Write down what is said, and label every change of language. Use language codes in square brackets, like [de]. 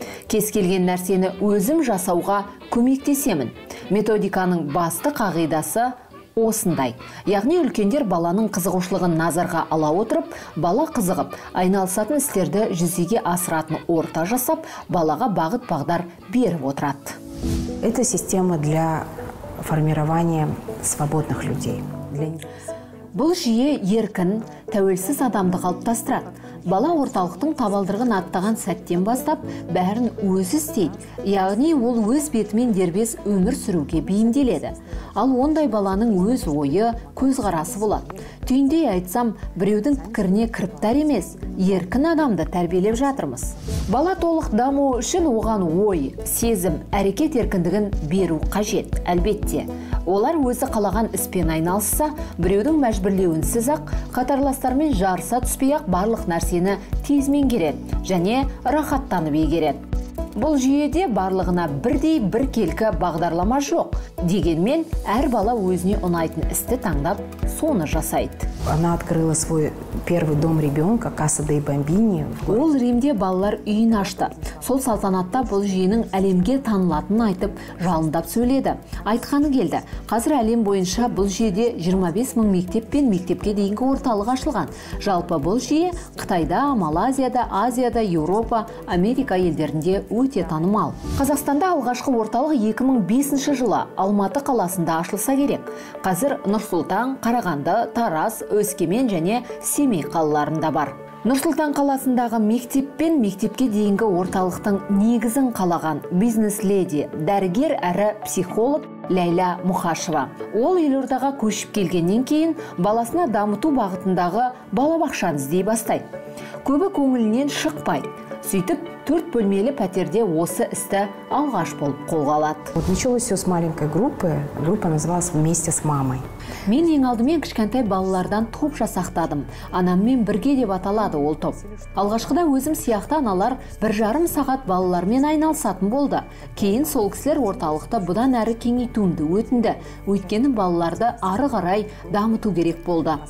[kk] Кез келген нәрсені өзім жасауға көмектесемін. Методиканың басты қағидасы осындай. Яғни үлкендер баланың қызығушылығын назарға ала отырып, бала қызығып, айналысатын істерді жүзеге асыратын орта жасап, балаға бағыт-бағдар беріп отырады. [ru] Это система для формирования свободных людей. [kk] Бұл жүйе еркін, тәуелсіз адамды қалыптастырады. Бала орталықтың табалдырығын аттаған сәттен бастап, бәрін өзі істейді. Яғни ол өз бетімен дербес өмір сүруге бейімделеді. Ал ондай баланың өз ойы, көз қарасы болады. Түйіндей айтсам, біреудің пікіріне кіріптар емес, еркін адамды тәрбиелеп жатырмыз. Бала толық даму үшін оған ой, сезім, әрекет еркіндігін беру қажет, әлбетте. Олар өзі қалаған іспен айналысса, біреудің мәжбүрлеуінсіз ақ, қатарластармен жарыса түспей-ақ барлық нәрсені тез меңгереді және рахаттанып игереді. Бұл жүйеде барлығына бірдей бір келкі бағдарлама жоқ. Дегенмен, әр бала өзіне ұнайтын істі таңдап, соны жасайды. [ru] Она открыла свой первый дом ребенка, Каса де Бамбини. [kk] Ол Римде балалар үйін ашты. Сол салтанатта бұл жүйенің әлемге танылатынын айтып, жалындап сөйледі. Айтқаны келді. Қазір әлем бойынша бұл жүйеде 25 мың мектеп пен мектепке дейінгі орталық ашылған. Жалпы бұл жүйе Қытайда, Малайзияда, Азияда, Еуропа, Америка елдерінде өте танымал. Қазақстанда алғашқы орталық 2005 жылы Алматы қаласында ашылса керек. Қазір Нұр-Сұлтан, Қарағанды, Тараз, Өскемен және Семей қалаларында бар. Нұр-Сұлтан қаласындағы мектеп пен мектепке дейінгі орталықтың негізін қалаған бизнес-леди, дәрігер әрі психолог Ләйла Мұхашева. Ол Елордаға көшіп келгеннен кейін баласына дамыту бағытындағы балабақшаны іздей бастайды. Көбі көңілінен шықпайды. Сөйтіп, 4 бөлмелі пәтерде осы істі алғаш болып қолға алады. [ru] Вот началось все с маленькой группы. Группа называлась «Вместе с мамой». [kk] Мен ең алдымен кішкентай балалардан топ жасақтадым. Анаммен бірге деп аталады ол топ. Алғашқыда өзім сияқты аналар бір жарым сағат балалармен айналысатын болды. Кейін сол кісілер орталықта бұдан әрі кеңейтуімді өтінді. Өйткені балаларды ары қарай дамыту керек болды.